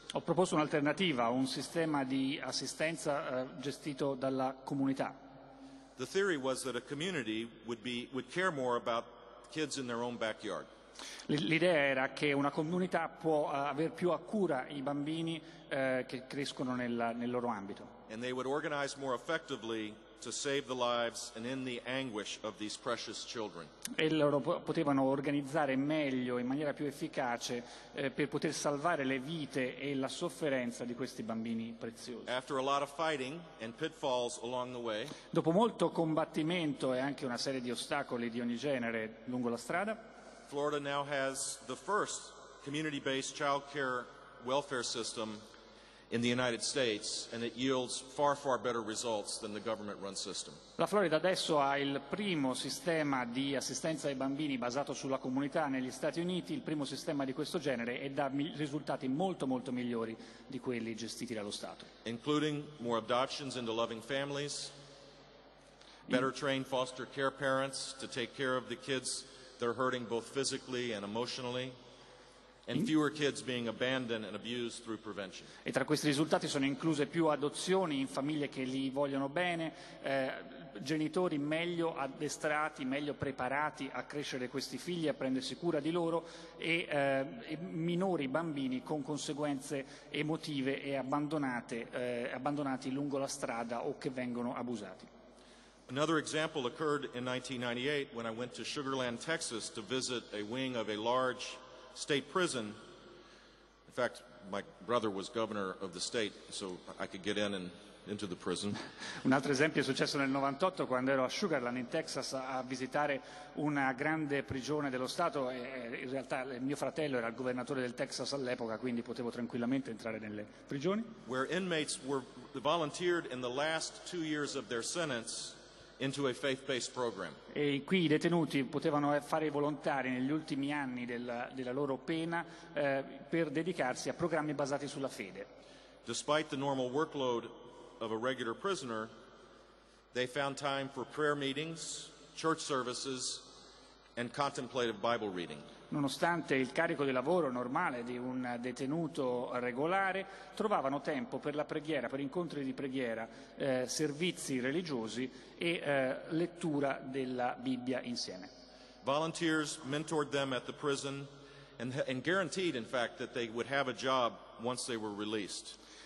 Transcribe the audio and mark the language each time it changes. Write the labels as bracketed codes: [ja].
[it] Ho proposto un'alternativa, un sistema di assistenza gestito dalla comunità. [en] The theory was that a community would care more about kids in their own backyard. [it] L'idea era che una comunità può aver più a cura i bambini che crescono nel loro ambito. [en] And they would organize more effectively to save the lives and end the anguish of these precious children. [it] E loro potevano organizzare meglio, in maniera più efficace, per poter salvare le vite e la sofferenza di questi bambini preziosi. [en] After a lot of fighting and pitfalls along the way, [it] dopo molto combattimento e anche una serie di ostacoli di ogni genere lungo la strada, [en] Florida now has the first community-based child care welfare system in the United States, and it yields far, far better results than the government-run system. [it] La Florida adesso ha il primo sistema di assistenza ai bambini basato sulla comunità negli Stati Uniti, il primo sistema di questo genere, e dà risultati molto, molto migliori di quelli gestiti dallo Stato. [en] Including more adoptions into loving families, better trained foster care parents to take care of the kids that are hurting both physically and emotionally. And fewer kids being abandoned and abused through prevention. [it] E tra questi risultati sono incluse più adozioni in famiglie che li vogliono bene, genitori meglio addestrati, meglio preparati a crescere questi figli, a prendersi cura di loro, e minori bambini con conseguenze emotive e abbandonati lungo la strada o che vengono abusati. [en] Another example occurred in 1998 when I went to Sugarland, Texas to visit a wing of a large state prison. In fact, my brother was governor of the state, so I could get in and into the prison. [it] Un altro esempio è successo nel 98 quando ero a Sugarland in Texas a visitare una grande prigione dello stato. In realtà mio fratello era il governatore del Texas all'epoca, quindi potevo tranquillamente entrare nelle prigioni. [en] Where inmates were volunteered in the last 2 years of their sentence into a faith-based program. [it] E qui i detenuti potevano fare i volontari negli ultimi anni della loro pena per dedicarsi a programmi basati sulla fede. [en] Despite the normal workload of a regular prisoner, they found time for prayer meetings, church services, and contemplative Bible reading. [it] Nonostante il carico di lavoro normale di un detenuto regolare, trovavano tempo per la preghiera, per incontri di preghiera, servizi religiosi e lettura della Bibbia insieme. [en] Volunteers mentored them at the prison and guaranteed, in fact, that they would have a job once they were released.